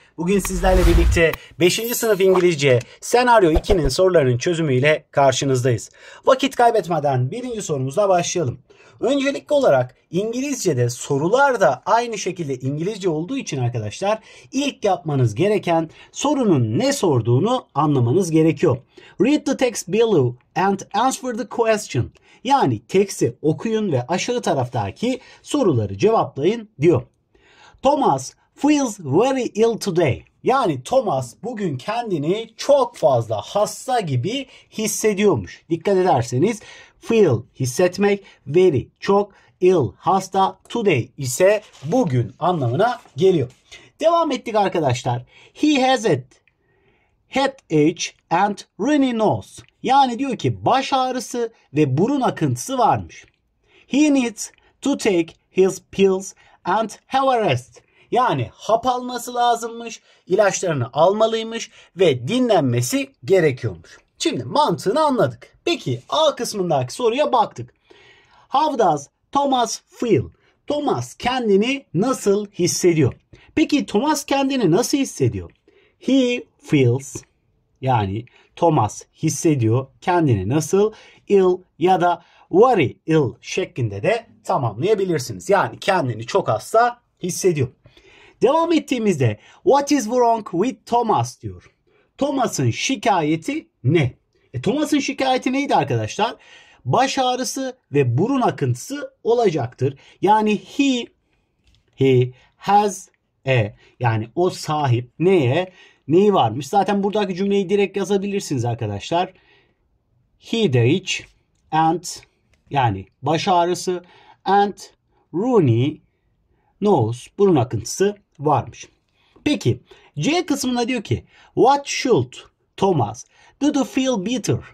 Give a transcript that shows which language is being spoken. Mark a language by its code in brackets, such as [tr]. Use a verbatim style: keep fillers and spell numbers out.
[tr] Bugün sizlerle birlikte beşinci sınıf İngilizce senaryo ikinin sorularının çözümüyle karşınızdayız. Vakit kaybetmeden birinci sorumuzla başlayalım. Öncelikli olarak İngilizce'de sorular da aynı şekilde İngilizce olduğu için arkadaşlar ilk yapmanız gereken sorunun ne sorduğunu anlamanız gerekiyor. [en] Read the text below and answer the question. [tr] Yani teksti okuyun ve aşağı taraftaki soruları cevaplayın diyor. [en] Thomas feels very ill today. [tr] Yani Thomas bugün kendini çok fazla hasta gibi hissediyormuş. Dikkat ederseniz feel hissetmek, very çok, ill hasta, today ise bugün anlamına geliyor. Devam ettik arkadaşlar. [en] He has a headache and runny nose. [tr] Yani diyor ki baş ağrısı ve burun akıntısı varmış. [en] He needs to take his pills and have a rest. [tr] Yani hap alması lazımmış, ilaçlarını almalıymış ve dinlenmesi gerekiyormuş. Şimdi mantığını anladık. Peki A kısmındaki soruya baktık. [en] How does Thomas feel? [tr] Thomas kendini nasıl hissediyor? Peki Thomas kendini nasıl hissediyor? [en] He feels, [tr] yani Thomas hissediyor kendini nasıl, ill ya da [en] very ill [tr] şeklinde de tamamlayabilirsiniz. Yani kendini çok hasta hissediyor. Devam ettiğimizde [en] what is wrong with Thomas [tr] diyor. Thomas'ın şikayeti ne? E, Thomas'ın şikayeti neydi arkadaşlar? Baş ağrısı ve burun akıntısı olacaktır. Yani [en] he he has a, [tr] yani o sahip neye? Neyi varmış? Zaten buradaki cümleyi direkt yazabilirsiniz arkadaşlar. [en] Headache and, [tr] yani baş ağrısı, [en] and runny nose, [tr] burun akıntısı varmış. Peki C kısmına diyor ki [en] what should Thomas do to feel better?